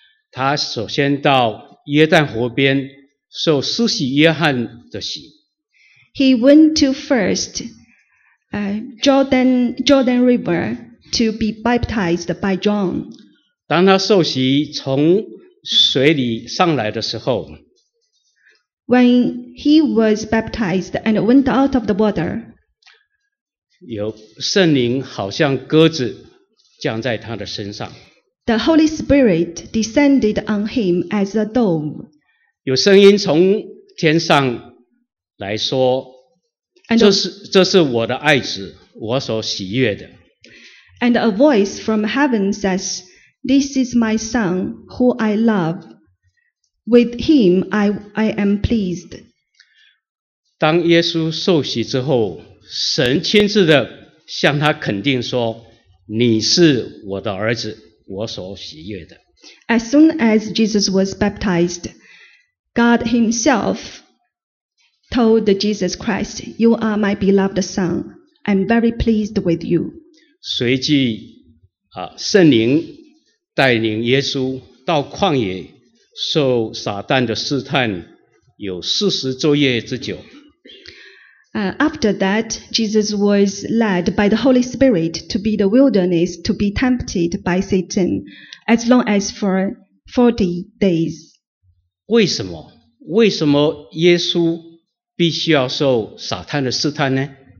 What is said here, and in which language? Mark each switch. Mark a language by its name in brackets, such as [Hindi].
[Chinese] 他首先到约旦河边受施洗约翰的洗。 [English] He went to first Jordan River to be baptized by John. [Chinese] 当他受洗从水里上来的时候， [English] When he was baptized and went out of the water, [Chinese] 有圣灵好像鸽子降在他的身上。 [English] The Holy Spirit descended on him as a dove. [Chinese] 有声音从天上来说， [English] and, [Chinese] 这是我的爱子，我所喜悦的。 [English] And a voice from heaven says, This is my son who I love. With him I am pleased. [Chinese] 当耶稣受洗之后，神亲自的向他肯定说，你是我的儿子，我所喜悦的。 [English] As soon as Jesus was baptized, God himself told Jesus Christ, You are my beloved son. I'm very pleased with you. [Chinese] 随即圣灵带领耶稣到旷野受撒旦的试探，有四十昼夜之久。 [English] After that, Jesus was led by the Holy Spirit to be the wilderness to be tempted by Satan as long as for 40 days. [Chinese] 为什么？为什么耶稣必须要受撒旦的试探呢？